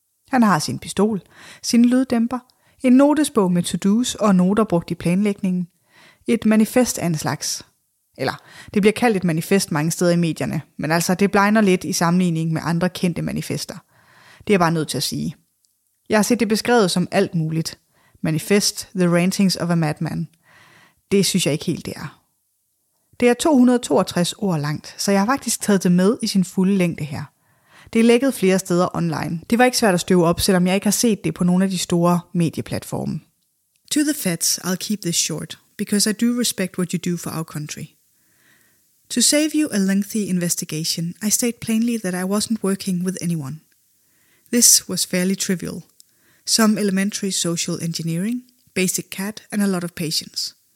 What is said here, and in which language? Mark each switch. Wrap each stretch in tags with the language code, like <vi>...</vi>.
<da>Han har sin pistol, sin lyddæmper, en notesbog med to-dos og noter brugt i planlægningen, et manifest af en slags. Eller, det bliver kaldt et manifest mange steder i medierne, men altså, det blegner lidt i sammenligning med andre kendte manifester. Det er bare nødt til at sige. Jeg har set det beskrevet som alt muligt.</da> <en>Manifest, the rantings of a madman.</en> <da>Det synes jeg ikke helt, det er. Det er 262 ord langt, så jeg har faktisk taget det med i sin fulde længde her. Det er lækket flere steder online. Det var ikke svært at støve op, selvom jeg ikke har set det på nogle af de store medieplatforme.</da> <en>To the feds, I'll keep this short, because I do respect what you do for our country. To save you a lengthy investigation, I state plainly that I wasn't working with anyone. This was fairly trivial. Some elementary social engineering, basic CAD, and a lot of patience.</en>